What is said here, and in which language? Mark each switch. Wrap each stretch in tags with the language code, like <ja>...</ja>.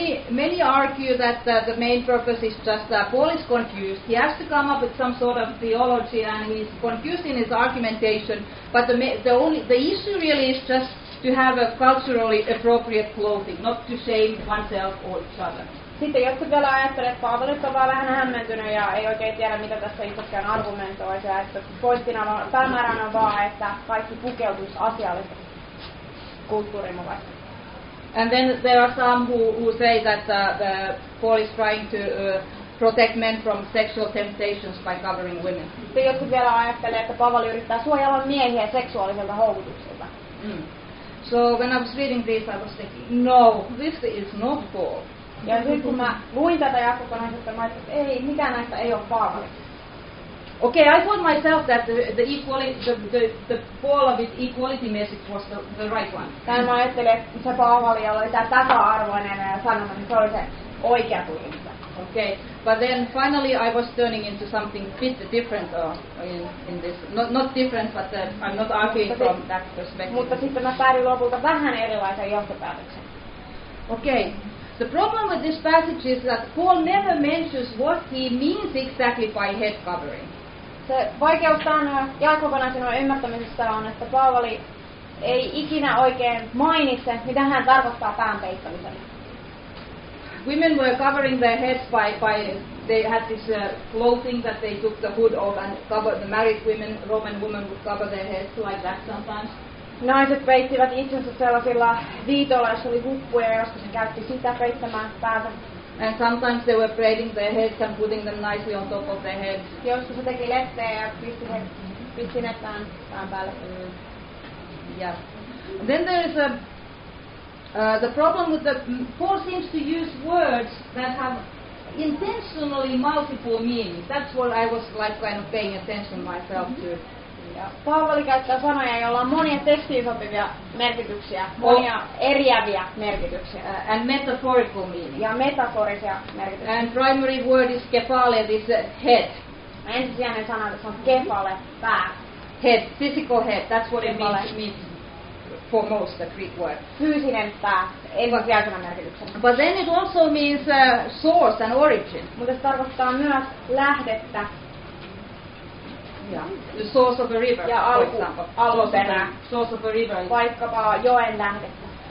<en>Many argue that the main purpose is just that Paul is confused. He has to come up with some sort of theology and he's confused in his argumentation. But the issue really is just to have a culturally appropriate clothing, not to shame oneself or each other.</en> <fi>Sitten jotkut vielä ajattelevat, että Paavali on vaan vähän hämmentynyt ja ei oikein tiedä, mitä tässä itsekään argumentoisi. Ja että pointtina on, päämääränä on vaan, että kaikki pukeutuisi asiallisesti kulttuurin mukaisesti.</fi> <en>And then there are some who say that Paul is trying to protect men from sexual temptations by covering women.</en> <fi>Sitten jotkut vielä ajattelevat, että Paavali yrittää suojella miehiä seksuaaliselta houkutukselta. Mm.</fi> <en>So when I was reading this, I was thinking, no, this is not Paul.</en> <fi>Ja sitten kun mä luin tätä jatkoa, niin sitten mä ajattelin, että ei, mikään näistä ei ole Paavali.</fi> <en>Okay, I thought myself that the Paul of his equality message was the right one.</en> <fi>Tämä mä ajattelin, että se Paavali oli tämä tasa-arvoinen sanoma, niin se oli se oikea tulkinta.</fi> <en>Okay, but then finally I was turning into something bit different in this. Not different, but I'm not arguing from that perspective.</en> <fi>Mutta sitten mä päädyin lopulta vähän erilaisen johtopäätöksen.</fi> <en>Okay. The problem with this passage is that Paul never mentions what he means exactly by head covering.</en> <fi>Se vaikeus Jaakobin sanan ymmärtämisessä on, että Paavali ei ikinä oikein mainitse, mitä hän tarkoittaa pään peittämisellä.</fi> <en>Women were covering their heads by they had this clothing that they took the hood off and covered. The married women, Roman women would cover their heads like that sometimes.</en> <fi>Naiset peittivät itsensä sellaisilla viitoilla, jos oli huppuja, josta se käytti sitä peittämään päätä.</fi> <en>And sometimes they were braiding their heads and putting them nicely on top of their heads.</en> <fi>Joskus se teki lehteä ja pisti ne pään päälle.</fi> <en>Yeah. Then there is the problem with the Paul seems to use words that have intentionally multiple meanings. That's what I was like kind of paying attention myself to.</en> <fi>Ja Paavali käyttää sanoja, joilla on monia tekstiin sopivia merkityksiä, monia eriäviä merkityksiä.</fi> <en>And metaphorical meaning.</en> <fi>Ja metaforisia merkityksiä.</fi> <en>And primary word is kefale, this head.</en> <fi>Ensisijainen sana tässä on kefale, pää.</fi> <en>Head, physical head, that's what kefale. It means for most, the Greek word.</en> <fi>Fyysinen pää, ensisijaisena merkityksenä.</fi> <en>But then it also means source and origin.</en> <fi>Mutta se tarkoittaa myös lähdettä.</fi> <en>Yeah. The source of a river,</en> <fi>ja</fi> <en>for example.</en> <fi>Alkuperä.</fi> <en>Source of a river.</en> <fi>Vaikkapa joen lähdettä.</fi>